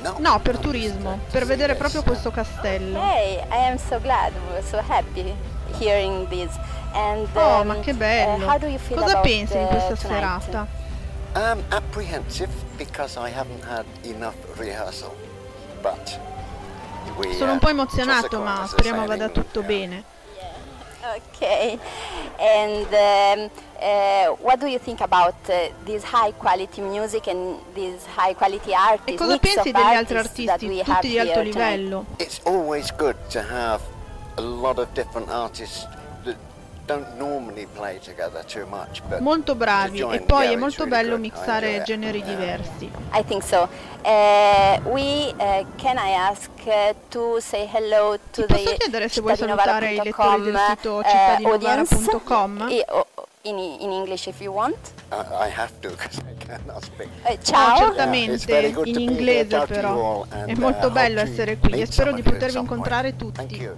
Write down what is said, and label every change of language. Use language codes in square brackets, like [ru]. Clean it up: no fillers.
[it] No, per turismo, per vedere proprio questo castello. [en] Hey, I am so glad, so happy hearing this. And, [it] oh, ma che bello! [en] How do you feel [it] Cosa pensi di questa [en] tonight? [it] Serata? [en] Apprehensive because I haven't had enough rehearsal. But [it] we, sono un po' emozionato, ma speriamo vada tutto bene. [en] Yeah. Ok. And what do you think about this high quality music and this high quality artists? [it] E cosa pensi degli altri artisti, tutti di alto livello? [en] It's always good to have a lot of different artists. Don't normally play together too much, but [it] molto bravi e poi è molto bello mixare generi diversi. [en] I think so. Can I ask to say hello to the [it] posso chiedere se vuoi salutare i lettori del sito cittadinovara.com [en] in English if you want. I have to because I cannot speak. [it] Ciao. Certamente in inglese però. È molto bello essere qui e spero di potervi incontrare tutti.